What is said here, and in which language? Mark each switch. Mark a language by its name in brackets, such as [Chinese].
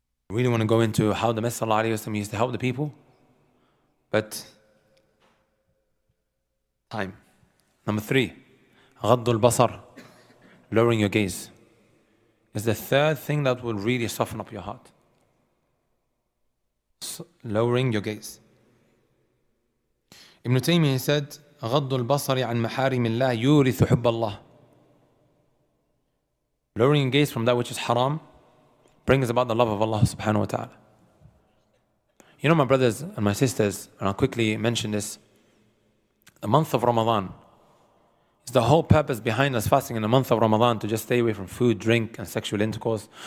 [English] really want to go into how the Messenger of Allah used to help the people, but time. Number three, [Arabic] غض البصر, [English] lowering your gaze, is the third thing that will really soften up your heart. Lowering your gaze. Ibn Taymiyyah said, [Arabic] غض البصر عن محارم الله يورث حب الله. [English] Lowering your gaze from that which is haram brings about the love of Allah subhanahu wa ta'ala. You know, my brothers and my sisters, and I'll quickly mention this, the month of Ramadan, it's the whole purpose behind us fasting in the month of Ramadan, to just stay away from food, drink, and sexual intercourse.